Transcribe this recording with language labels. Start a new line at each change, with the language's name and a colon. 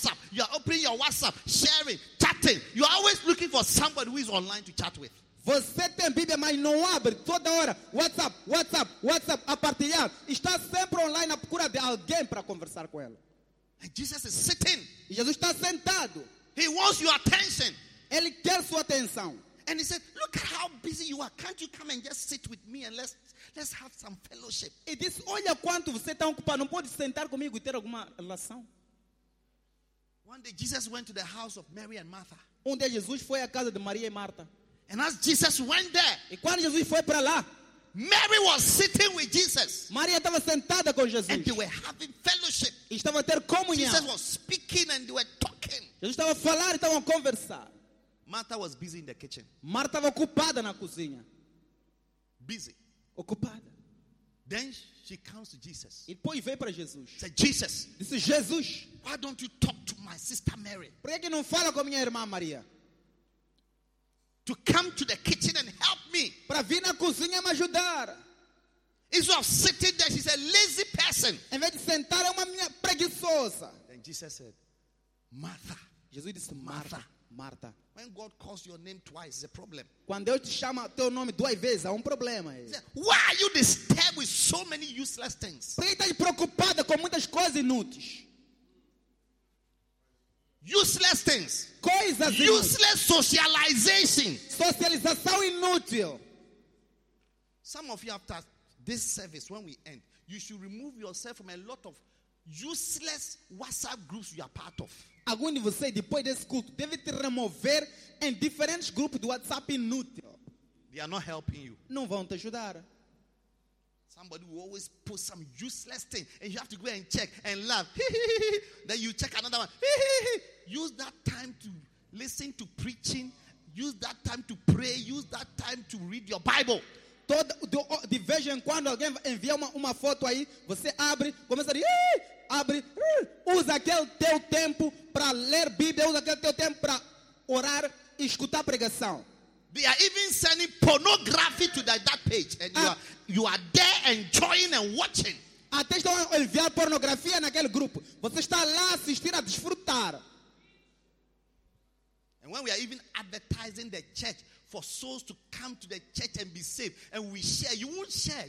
English: You are opening your WhatsApp, sharing, chatting. You are always looking for somebody who is online to chat with.
Portuguese: Você tem Bíblia, mas não abre toda hora. WhatsApp. A partilhar. Está sempre online à procura de alguém para conversar com ela.
English: Jesus is sitting.
Portuguese: Jesus está sentado.
English: He wants your attention.
Portuguese: Ele quer sua atenção.
English: And he said, look at how busy you are. Can't you come and just sit with me and let's have some fellowship?
Portuguese: E disse, olha quanto você está ocupado. Não pode sentar comigo e ter alguma relação.
English: One day Jesus went to the house of Mary and Martha.
Portuguese: Um dia Jesus foi à casa de Maria e Marta.
English: And as Jesus went there,
Portuguese: e quando Jesus foi para lá,
English: Mary was sitting with Jesus.
Portuguese: Maria estava sentada com Jesus.
English: And they were having fellowship.
Portuguese: E estava a ter comunhão.
English: Jesus was speaking and they were talking.
Portuguese: Jesus estava a falar e estava a conversar.
English: Martha was busy in the kitchen.
Portuguese: Marta estava ocupada na cozinha.
English: Busy.
Portuguese: Ocupada.
English: Then she comes to Jesus.
Portuguese: E depois veio para Jesus.
English: Said Jesus.
Portuguese: Disse Jesus.
English: Why don't you talk to my sister Mary?
Portuguese: Por que não fala com minha irmã Maria?
English: To come to the kitchen and help me.
Portuguese: Para vir na cozinha me ajudar.
English: Instead of sitting there, she's a lazy person.
Portuguese: Em vez de sentar, é uma minha preguiçosa.
English: Then Jesus said, Martha.
Portuguese: Jesus disse Martha. Marta.
English: When God calls your name twice, it's a problem.
Portuguese: Quando Deus te chama teu nome duas vezes, há problema.
English: He said, why are you disturbed with so many useless things?
Portuguese: Por que está preocupada com muitas coisas inúteis?
English: Useless things.
Portuguese: Coisas inúteis.
English: Useless socialization.
Portuguese: Socialização inútil.
English: Some of you after this service, when we end, you should remove yourself from a lot of useless WhatsApp groups you are part of.
Portuguese: Algum de vocês, depois desse culto, deve te remover em diferentes grupos do WhatsApp inútil.
English: They are not helping you.
Portuguese: Não vão te ajudar.
English: Somebody will always put some useless thing and you have to go and check and laugh. Then you check another one. Use that time to listen to preaching. Use that time to pray. Use that time to read your Bible.
Portuguese: De vez em quando alguém envia uma foto aí, você abre, começa a abre, usa aquele teu tempo para ler Bíblia, usa aquele teu tempo para orar e escutar pregação.
English: They are even sending pornography to that page and you are there enjoying and watching.
Portuguese: Até estão enviar pornografia naquele grupo. Você está lá assistindo a desfrutar.
English: And when we are even advertising the church for souls to come to the church and be saved and we share, you won't share.